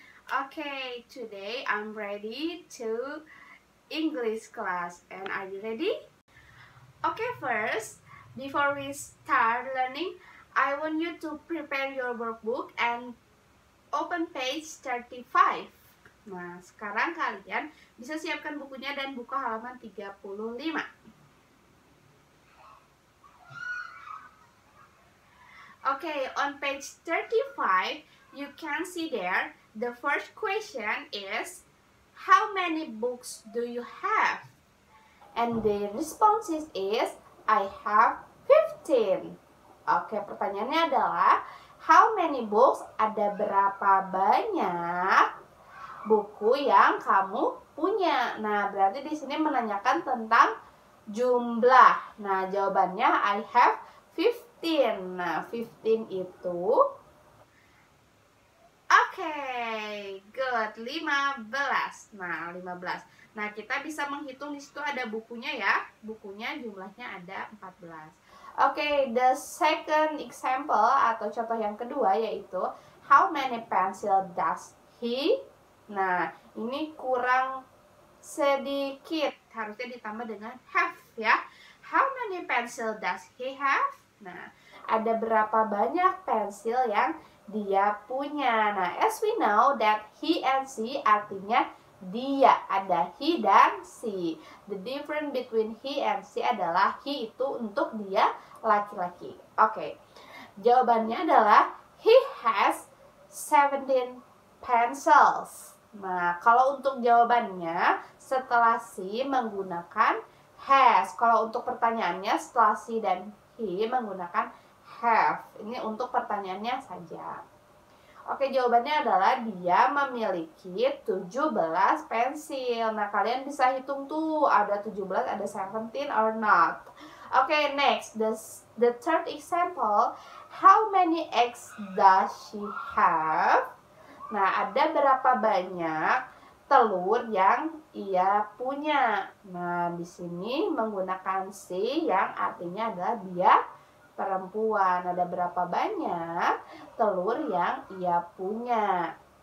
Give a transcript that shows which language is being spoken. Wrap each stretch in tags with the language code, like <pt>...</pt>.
<en>Okay, today I'm ready to English class, and are you ready? Okay, first, before we start learning, I want you to prepare your workbook and open page 35.</en> <id>Nah, sekarang kalian bisa siapkan bukunya dan buka halaman 35.</id> <en>Okay, on page 35, you can see there, the first question is, how many books do you have? And the response is, I have 15.</en> <id>Okay, pertanyaannya adalah,</id> <en>how many books,</en> <id>ada berapa banyak buku yang kamu punya? Nah, berarti di sini menanyakan tentang jumlah. Nah, jawabannya</id> <en>I have 15.</en> <id>Nah, 15 itu okay, good. 15. Nah, 15. Nah, kita bisa menghitung di situ ada bukunya ya. Bukunya jumlahnya ada 14.</id> <en>Okay, the second example</en> <id>atau contoh yang kedua yaitu</id> <en>how many pencil does he?</en> <id>Nah, ini kurang sedikit, harusnya ditambah dengan have ya.</id> <en>How many pencil does he have?</en> <id>Nah, ada berapa banyak pensil yang dia punya?</id> <en>Nah, as we know that he and she</en> <id>artinya dia, ada</id> <en>he dan she. The difference between he and she</en> <id>adalah he itu untuk dia laki-laki. Oke, jawabannya adalah</id> <en>he has 17 pencils.</en> <id>Nah, kalau untuk jawabannya setelah si menggunakan has. Kalau untuk pertanyaannya setelah si dan he menggunakan have. Ini untuk pertanyaannya saja. Oke, jawabannya adalah dia memiliki 17 pensil. Nah, kalian bisa hitung tuh ada 17, ada 17 or not.</id> <en>Oke, next, the third example, how many eggs does she have?</en> <id>Nah, ada berapa banyak telur yang ia punya? Nah, di sini menggunakan she yang artinya adalah dia perempuan. Ada berapa banyak telur yang ia punya?</id>